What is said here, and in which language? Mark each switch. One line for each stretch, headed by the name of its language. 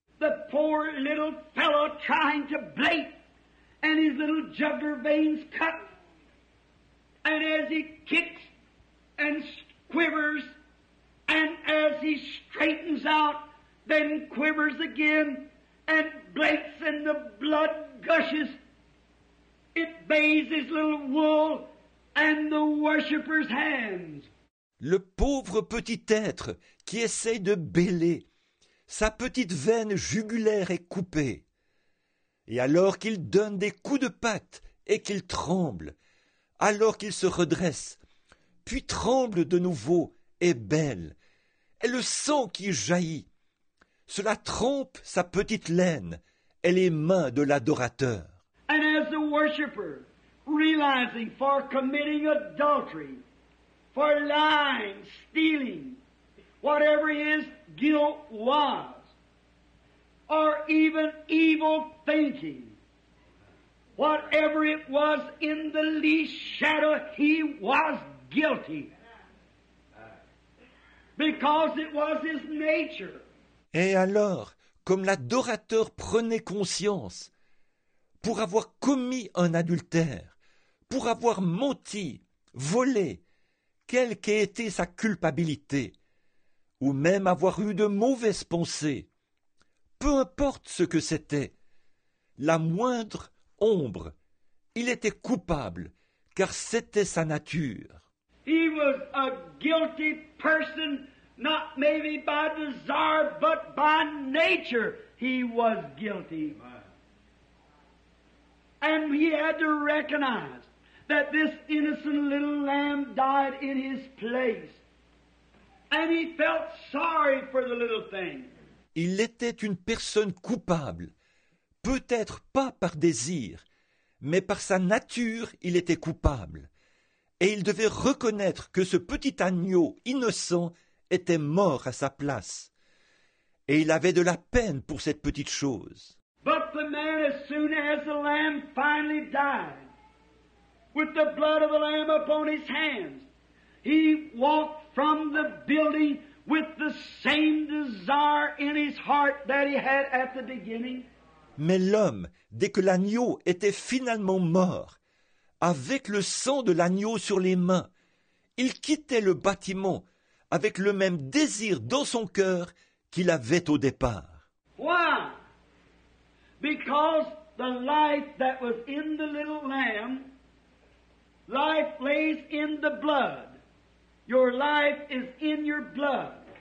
English: The poor little fellow trying to bleat, and his little jugular veins cut, and as he kicks and quivers, and as he straightens out, then quivers again, and bleats, and the blood gushes. It bathes his little wool and the worshipper's hands.
French: Le pauvre petit être qui essaye de bêler, sa petite veine jugulaire est coupée. Et alors qu'il donne des coups de patte et qu'il tremble, alors qu'il se redresse, puis tremble de nouveau et bêle, et le sang qui jaillit, cela trempe sa petite laine et les mains de l'adorateur.
English: And as the worshipper, realizing for committing adultery, for lying, stealing, whatever his guilt was, or even evil thinking, whatever it was in the least shadow, he was guilty. Because it was his nature.
French: Et alors, comme l'adorateur prenait conscience, pour avoir commis un adultère, pour avoir menti, volé, quelle qu'ait été sa culpabilité, ou même avoir eu de mauvaises pensées, peu importe ce que c'était, la moindre ombre, il était coupable, car c'était sa nature.
English: He was a guilty person. Not maybe by desire, but by nature, he was guilty. And he had to recognize that this innocent little lamb died in his place. And he felt sorry for the little thing.
French: Il était une personne coupable. Peut-être pas par désir, mais par sa nature, il était coupable. et il devait reconnaître que ce petit agneau innocent était mort à sa place. Et il avait de la peine pour cette petite chose.
English: But the man, as soon as the lamb finally died, with the blood of the lamb upon his hands, he walked from the building with the same desire in his heart that he had at the beginning.
French: Mais l'homme, dès que l'agneau était finalement mort, avec le sang de l'agneau sur les mains, il quittait le bâtiment avec le même désir dans son cœur qu'il avait au départ.
English: Why? Because the life that was in the little lamb, life lays in the blood. Your life is in your blood.